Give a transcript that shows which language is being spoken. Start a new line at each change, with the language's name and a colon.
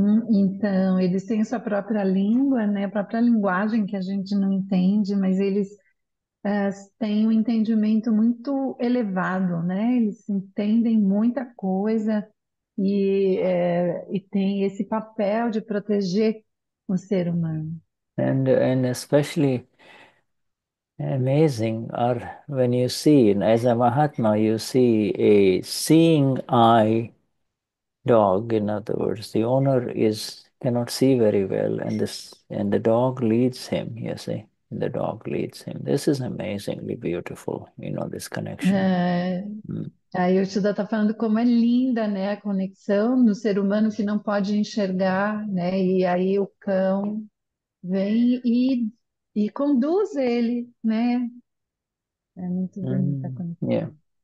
Portuguese: Então, eles têm sua própria língua, né? A própria linguagem que a gente não entende, mas eles têm um entendimento muito elevado, né? Eles entendem muita coisa e têm esse papel de proteger o ser humano.
English: And especially amazing are when you see, as a Mahatma, you see a seeing eye dog. In other words, the owner is cannot see very well, and the dog leads him, you see. The dog leads him. This is amazingly beautiful, this connection.
Portuguese: Aí o Tsuda está falando como é linda, né, a conexão do ser humano que não pode enxergar, né, e aí o cão vem e conduz ele, né? É muito bonita a conexão.